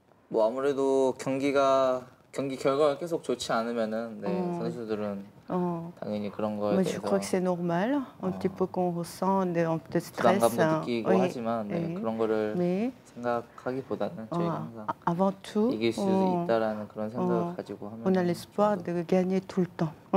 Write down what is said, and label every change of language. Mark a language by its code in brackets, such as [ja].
[ko] Bon, 아무래도 경기가 경기 결과가 계속 좋지 않으면은 네 선수들은 당연히 그런 거에 대해서. [fr] Je crois que c'est normal, un petit peu qu'on ressent des un peu de stress. [ko] 부담감도 느끼고 하지만 네 그런 거를 생각하기보다는 저희가 [fr] avant tout [ko] 이길 수 있다라는 그런 생각을 가지고 하면. [fr] On a l'espoir de gagner tout le temps.